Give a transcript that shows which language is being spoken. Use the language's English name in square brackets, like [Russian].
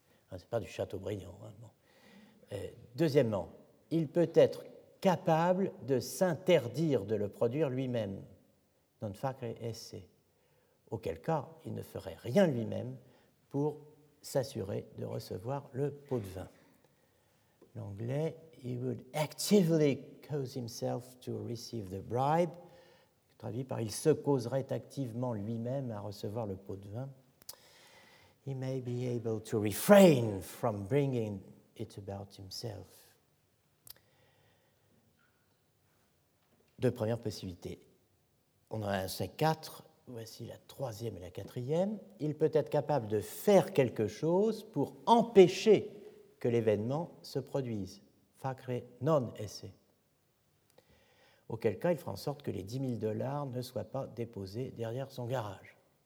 [French] Ce n'est pas du Chateaubriand. Hein, bon. Deuxièmement, il peut être capable de s'interdire de le produire lui-même, [Latin] non facere esse, [French] auquel cas il ne ferait rien lui-même pour s'assurer de recevoir le pot de vin. L'anglais, [English] he would actively cause himself to receive the bribe, [French] traduit par il se causerait activement lui-même à recevoir le pot de vin. [English] He may be able to refrain from bringing it about himself. [French] Deux premières possibilités. On en a ces quatre. Voici la troisième et la quatrième. Il peut être capable de faire quelque chose pour empêcher que l'événement se produise. [Latin] Facere non esse. [French] Auquel cas, il fera en sorte que les 10 000 dollars ne soient pas déposés derrière son garage.